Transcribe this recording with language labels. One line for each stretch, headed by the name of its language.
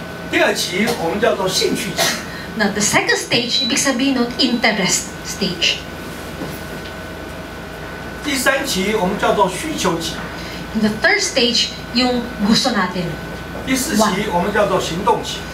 Chinese: 第二期我们叫做兴趣期.
English: Now, the second stage,
Filipino: ibig sabihin nun,
English: interest stage.
Chinese: 第三期我们叫做需求期.
English: In the third stage,
Filipino: yung gusto natin.
Chinese: 第四期我们叫做行动期.